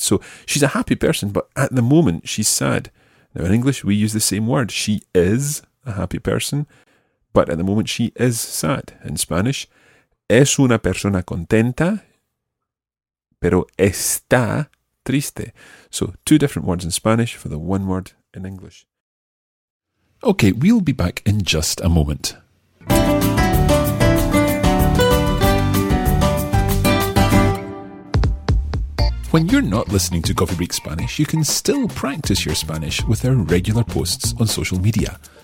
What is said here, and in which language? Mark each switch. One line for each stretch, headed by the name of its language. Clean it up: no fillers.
English: So she's a happy person, but at the moment she's sad. Now in English we use the same word. She is a happy person, but at the moment she is sad.
Spanish: In Spanish, es una persona contenta, pero está triste.
English: So two different words in Spanish for the one word in English. Okay, we'll be back in just a moment. When you're not listening to Coffee Break Spanish, you can still practice your Spanish with our regular posts on social media.